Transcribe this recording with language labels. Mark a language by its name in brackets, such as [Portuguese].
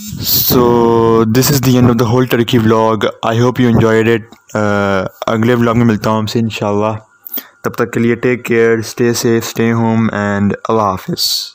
[English] So this is the end of the whole Turkey vlog. I hope you enjoyed it. [Hindi] अगले vlog में मिलता हूँ आपसे इंशाल्लाह। तब तक के लिए [English] take care, stay safe, stay home and Allah Hafiz.